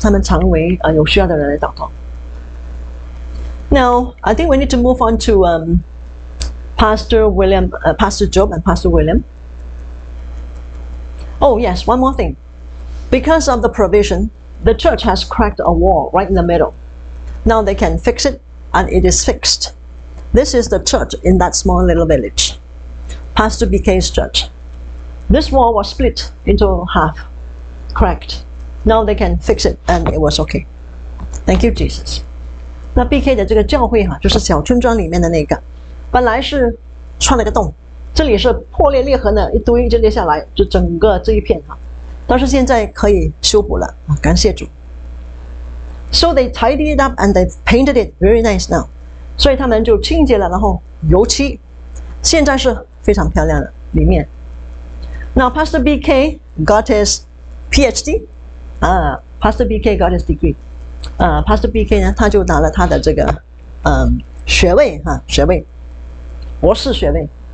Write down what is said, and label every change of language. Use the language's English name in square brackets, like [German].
[Chinese] 他们常为有需要的人来祷告。 [English] Now, I think we need to move on to Pastor William, Pastor Job, and Pastor William. Oh yes, one more thing. Because of the provision, the church has cracked a wall right in the middle. Now they can fix it, and it is fixed. This is the church in that small little village, Pastor BK's church. This wall was split into half, cracked. Now they can fix it, and it was okay. Thank you, Jesus. [Chinese] 那 BK 的这个教会哈、啊，就是小村庄里面的那个，本来是穿了个洞，这里是破裂裂痕的一堆就裂下来，就整个这一片哈、啊，但是现在可以修补了啊，感谢主。 [English] So they tidied it up and they painted it very nice now. [Chinese] 所以他们就清洁了，然后油漆，现在是非常漂亮的里面。 [English] Now Pastor BK got his PhD. Pastor BK got his degree. [Chinese] Pastor BK 呢，他就拿了他的这个学位哈、啊，学位，博士学位。